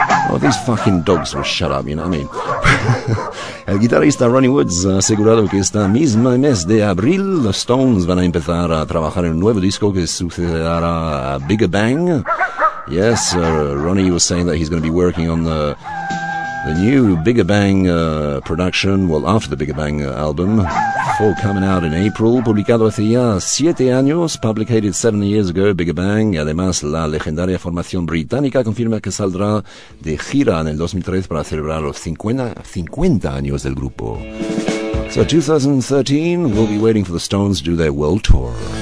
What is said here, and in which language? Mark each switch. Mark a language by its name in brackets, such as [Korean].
[English] Oh, these fucking dogs will shut up, you know what I mean? [Spanish] El guitarrista Ronnie Woods ha asegurado que este mismo mes de abril los Stones van a empezar a trabajar en un nuevo disco que sucederá a Bigger Bang. [English] Yes, Ronnie was saying that he's going to be working on the new Bigger Bang production, well, after the Bigger Bang album, for coming out in April. [Spanish] Publicado hace ya 7 años, [English] publicated 7 years ago, [Spanish] Bigger Bang. Y además, la legendaria formación británica confirma que saldrá de gira en el 2013 para celebrar los 50 años del grupo. [English] So, 2013, we'll be waiting for the Stones to do their world tour.